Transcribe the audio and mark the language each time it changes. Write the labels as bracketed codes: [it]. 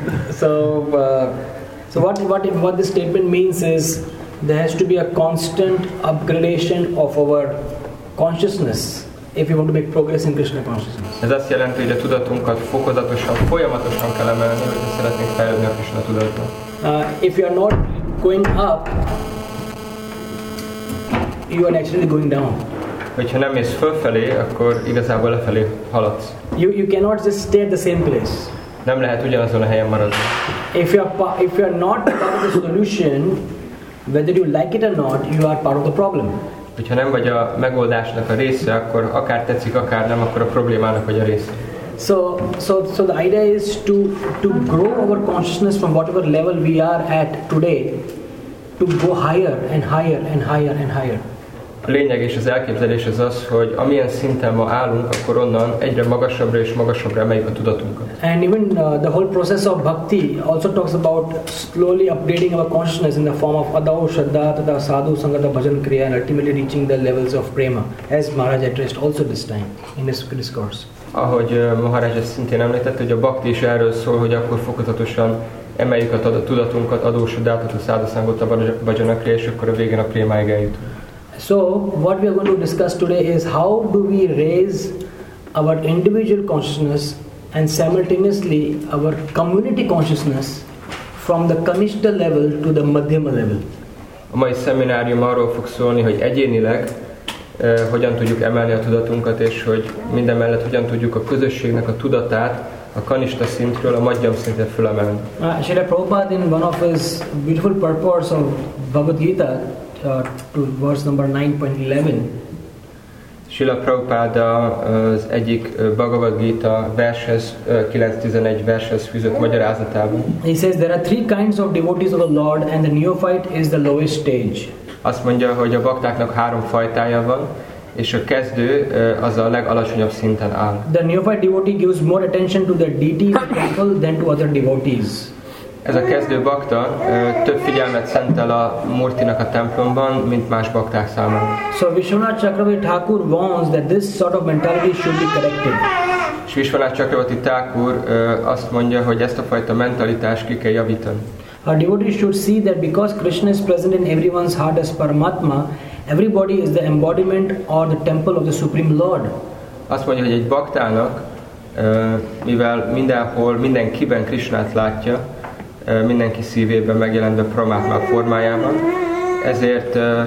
[en] So what this statement means is there has to be a constant upgradation of our consciousness if we want to make progress in Krishna consciousness. [hu] Ez azt jelenti, hogy a tudatunkat fokozatosan, folyamatosan kell emelni, hogy szeretnénk fejlődni a Krishna tudatban. [en] If you are not going up, you are actually going down. [hu] Hogyha nem mész fölfelé, akkor igazából lefelé haladsz. [en] You cannot just stay at the same place. [hu] Nem lehet ugyanazon a helyen maradni. [en] If you are not part of the solution, whether you like it or not, you are part of the problem. [hu] Hogyha nem vagy a megoldásnak a része, akkor akár tetszik, akár nem, akkor a problémának vagy a része. [en] So the idea is to grow our consciousness from whatever level we are at today, to go higher and higher and higher and higher. [hu] A lényeg és az elképzelés az, hogy amilyen szinten ma állunk, akkor onnan egyre magasabbra és magasabbra emeljük a tudatunkat. [en] And even the whole process of bhakti also talks about slowly upgrading our consciousness in the form of adau, shraddha, tada, sadhu, sangata, bhajan, kriya, and ultimately reaching the levels of prema, as Maharaj addressed also this time in his discourse. [hu] Ahogy Maharaj ezt szintén említette, hogy a bhakti is erről szól, hogy akkor fokozatosan emeljük a tudatunkat, adau, shraddha, tada, sadhu, sangata, bhajan, kriya, és akkor a végén a prémáig eljutunk. [en] So what we are going to discuss today is how do we raise our individual consciousness and simultaneously our community consciousness from the kanishta level to the madhyama level. [hu] A mai szeminárium arról fog szólni, hogy egyénileg hogyan tudjuk emelni a tudatunkat, és hogy minden mellett hogyan tudjuk a közösségnek a tudatát a kanista szintről a madhyam szintre fölemelni. [en] Srila Prabhupada in one of his beautiful purports of Bhagavad Gita, to verse number 9.11. [hu] Srila Prabhupada az egyik Bhagavad Gita vershez, 9.11 vershez fűzött magyarázatában. [en] He says there are three kinds of devotees of the Lord, and the neophyte is the lowest stage. [hu] Azt mondja, hogy a baktáknak három fajtája van, és a kezdő az a legalacsonyabb szinten áll. [en] The neophyte devotee gives more attention to the deity of the temple than to other devotees. [hu] Ez a kezdő bakta több figyelmet szentel a Murtinak a templomban, mint más bakták számára. [en] So Vishwanath Chakravarti Thakur warns that this sort of mentality should be corrected. [hu] És Vishwanath Chakravarti Thakur azt mondja, hogy ezt a fajta mentalitást ki kell javítani. [en] A devotee should see that because Krishna is present in everyone's heart as Paramatma, everybody is the embodiment or the temple of the Supreme Lord. [hu] Azt mondja, hogy egy baktának, mivel mindenhol, mindenkiben Krishnát látja, mindenki szívében megjelent a Paramatma formájában. Ezért